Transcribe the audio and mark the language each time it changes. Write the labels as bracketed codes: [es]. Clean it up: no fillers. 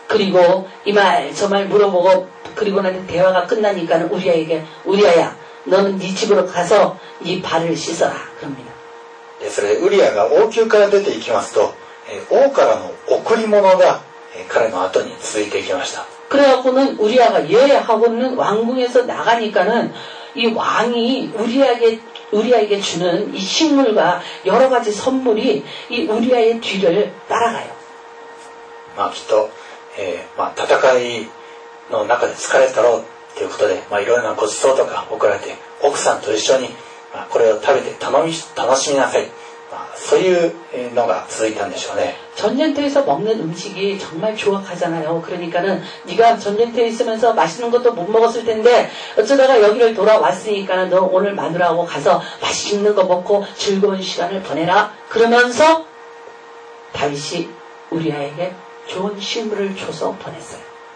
[ko] 그리고이말저말물어보고그리고나서대화가끝나니까는우리아에게우리아야너는네집으로가서네발을씻어라그럽니다 그래서우리아가 [ja] 王宮から出て行きますと王からの贈り物が彼の後に続いていきました。 [ko] 그래갖고는우리아가예하고는왕궁에서나가니까는이왕이우리아에게우리아에게주는이식물과여러가지선물이이우리아의뒤를따라가요 [ja] まあきっと、まあ、戦いの中で疲れたろうということで、まあ、いろいろなごちそうとか送られて奥さんと一緒に、まあ、これを食べて楽しみなさい、まあ、そういうのが続いたんでしょうね。 [ko] 전쟁터에서먹는음식이정말조악하잖아요그러니까는네가전쟁터에있으면서맛있는것도못먹었을텐데어쩌다가여기를돌아왔으니까너오늘마누라하고가서맛있는거먹고즐거운시간을보내라그러면서다윗이우리아에게좋은식물을줘서보냈어요